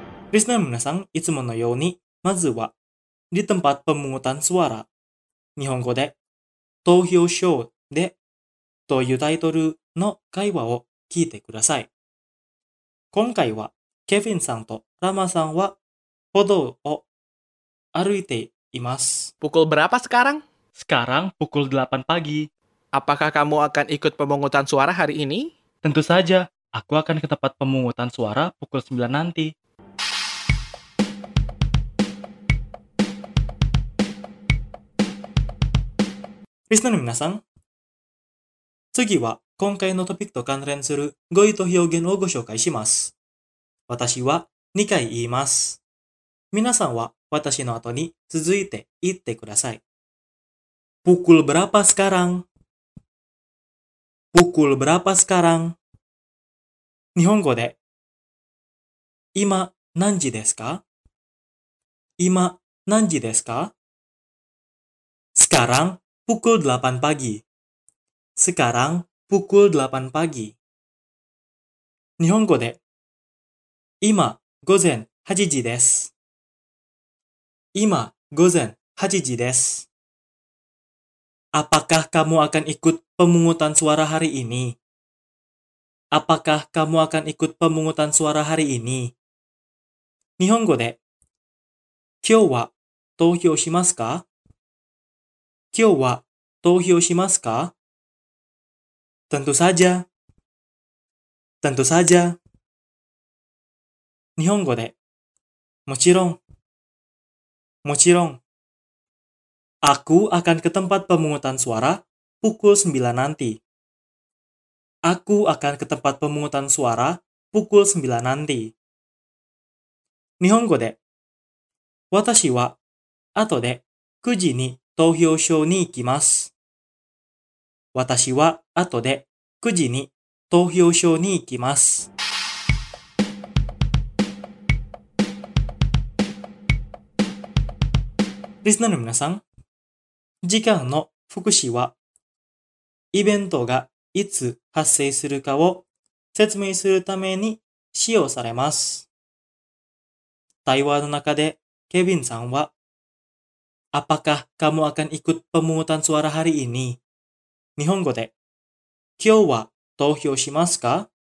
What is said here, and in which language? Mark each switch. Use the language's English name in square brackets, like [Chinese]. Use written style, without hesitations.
[Japanese] リスナーの皆さん、いつものようにまずは [Indonesian] Di tempat pemungutan suara [Japanese] 日本語で投票所でというタイトルの会話を聞いてください。今回はケビンさんとラマさんは歩道を歩いています。 [Indonesian] Pukul berapa sekarang? Sekarang pukul 8 pagi. Apakah kamu akan ikut pemungutan suara hari ini? Tentu saja, aku akan ke tempat pemungutan suara pukul 9 nanti. [Japanese] Listener の皆さん、次は今回のトピックと関連する語彙と表現をご紹介します。私は2回言います。皆さんは私の後に続いて言ってください。 [Indonesian] Pukul berapa sekarang? Pukul berapa sekarang? [Japanese] 日本語で今何時ですか？今何時ですか？ [Indonesian] Sekarang pukul 8 pagi. Sekarang pukul 8 pagi. [Japanese] 日本語で今午前8時です。今午前8時です。 [Indonesian] Apakah kamu akan ikut pemungutan suara hari ini? Apakah kamu akan ikut pemungutan suara hari ini? [Japanese] 日本語で今日は投票しますか？今日は投票しますか？ [Indonesian] Tentu saja. Tentu saja. [Japanese] 日本語でもちろん。もちろん。 [Indonesian] Aku akan ke tempat pemungutan suara pukul 9 nanti. Aku akan ke tempat pemungutan suara pukul 9 nanti. [Japanese] 日本語で私は後で9時に投票所に行きます。私は後で9時に投票所に行きます。リスナーの皆さん、時間の福祉は、イベントがいつ発生するかを説明するために使用されます。対話の中でケビンさんは、 [Indonesian] Apakah kamu akan ikut pemungutan suara hari ini? [Japanese] 日本語で、今日は投票しますか？